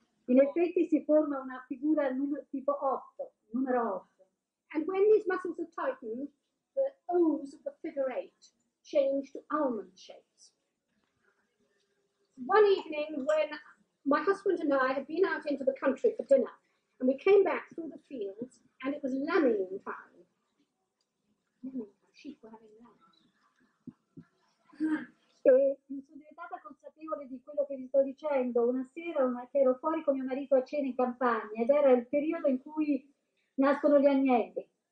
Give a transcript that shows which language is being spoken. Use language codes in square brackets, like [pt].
[it] In effetti si forma una figura tipo 8, numero 8. [en] And when these muscles are tightened, the O's of the figure 8 change to almond shapes. One evening when my husband and I had been out into the country for dinner and we came back through the fields and it was lambing time. Sheep were having lambs. [it] E mi sono diventata consapevole di quello che vi sto dicendo. Una sera ero fuori con mio marito a cena in campagna ed era il periodo in cui nascono gli agnelli.